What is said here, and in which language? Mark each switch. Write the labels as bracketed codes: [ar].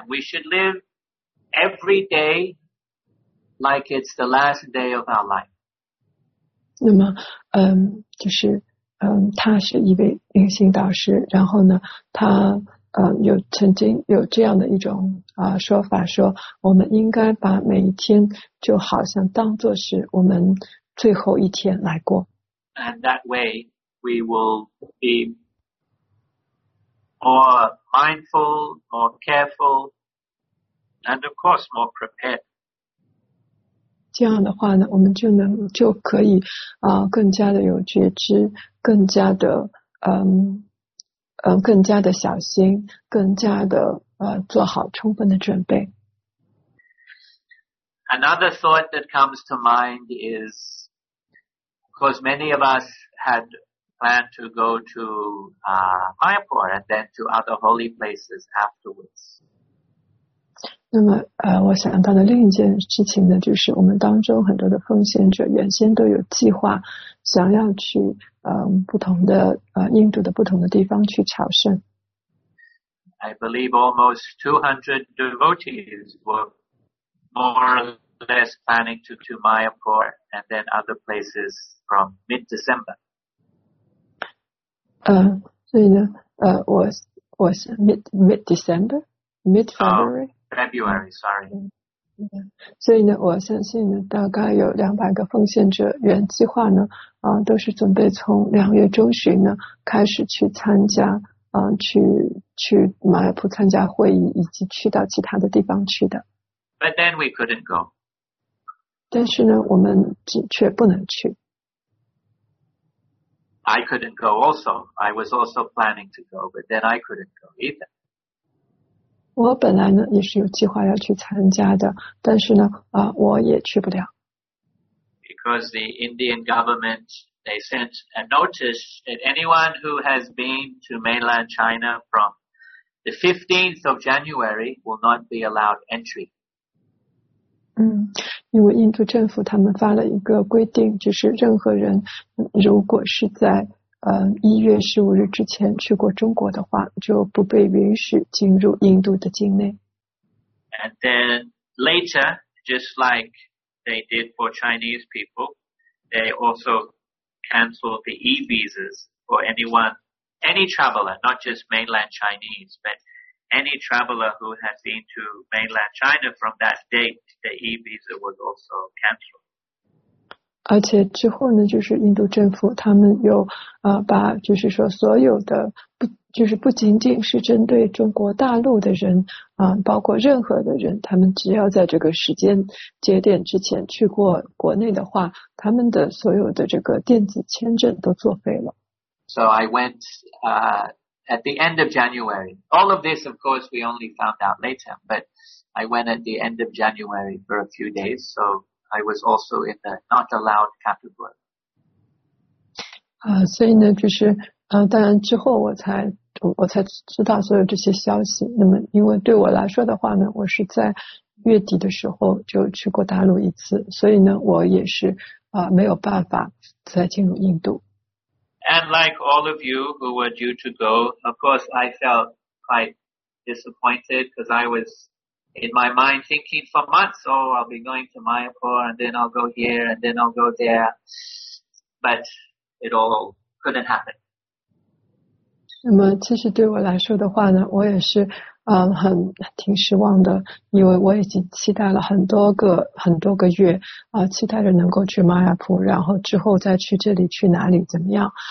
[en] We should live every day like it's the last day of our life. [zh] 那么，就是，他是一位灵性导师，然后呢，他有曾经有这样的一种说法，说我们应该把每一天就好像当作是我们最后一天来过。 [en] And that way we will be more mindful, more careful, and of course more prepared. [zh] 这样的话呢，我们就可以更加的有觉知，更加的更加的小心，更加的做好充分的准备。 [en] Another thought that comes to mind is, of course, many of us had planned to go to Mayapur and then to other holy places afterwards. [zh] 那么我想到的另一件事情呢，就是我们当中很多的奉献者原先都有计划想要去不同的印度的不同的地方去朝圣。 [en] I believe almost 200 devotees were more or less planning to Mayapur and then other places from mid-December. [zh] 所以呢我是 [en] mid-December?mid-February?、 February, sorry. [zh] 所以呢，我相信呢，大概有200个奉献者原计划呢，都是准备从两月中旬呢开始去参加，去马来普参加会议，以及去到其他的地方去的。 [en] But then we couldn't go. [zh] 但是呢，我们却不能去。 [en] I couldn't go also. I was also planning to go, but then I couldn't go either. [zh] 我本来呢也是有计划要去参加的，但是呢我也去不了。 [en] Because the Indian government, they sent a notice that anyone who has been to mainland China from the 15th of January will not be allowed entry. [zh] 因为印度政府他们发了一个规定，就是任何人如果是在1月15日之前去过中国的话，就不被允许进入印度的境内。 [en] And then later, just like they did for Chinese people, they also canceled the e-visas for anyone, any traveler, not just mainland Chinese, but any traveler who had been to mainland China from that date, the e-visa was also canceled. [zh] 而且之后呢，就是印度政府他们又把就是说所有的不仅仅是针对中国大陆的人包括任何的人，他们只要在这个时间节点之前去过国内的话，他们的所有的这个电子签证都作废了。 [en] So I went at the end of January. All of this, of course, we only found out later. But I went at the end of January for a few days. So. I was also in the not allowed category. [zh] 所以呢，就是当然之后我才知道所有这些消息。那么，因为对我来说的话呢，我是在月底的时候就去过大陆一次，所以呢，我也是没有办法再进入印度。 [en] And like all of you who were due to go, of course, I felt quite disappointed because I was. In my mind, thinking for months, oh, I'll be going to Mayapur, and then I'll go here, and then I'll go there. But it all couldn't happen. [zh] 那么，其实对我来说的话呢，我也是，很挺失望的，因为我已经期待了很多个月，期待着能够去马亚普，然后之后再去这里去哪里怎么样？